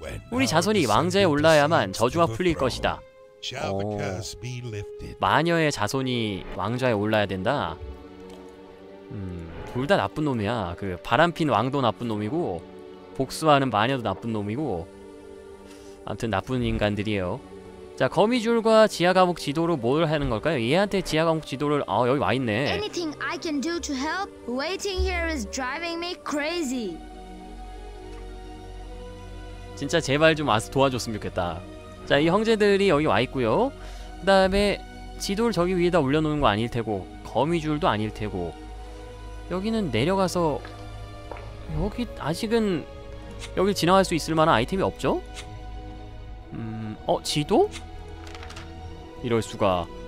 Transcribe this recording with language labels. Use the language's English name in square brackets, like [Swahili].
[Korean] 우리 자손이 왕좌에 올라야만 저주가 풀릴 것이다. 오, 마녀의 자손이 왕좌에 올라야 된다? 둘 다 나쁜 놈이야. 그 바람핀 왕도 나쁜 놈이고 복수하는 마녀도 나쁜 놈이고 아무튼 나쁜 인간들이에요. 자, 거미줄과 지하 감옥 지도로 뭘 하는 걸까요? 얘한테 지하 감옥 지도를 아, 여기 와 있네. [English] Anything I can do to help? Waiting here is driving me crazy. [Korean] 진짜 제발 좀 와서 도와줬으면 좋겠다. 자, 이 형제들이 여기 와 있고요. 그다음에 지도를 저기 위에다 올려 놓은 거 아닐 테고 거미줄도 아닐 테고 여기는 내려가서 여기 아직은 여기 지나갈 수 있을 만한 아이템이 없죠? 어, 지도? 이럴 수가.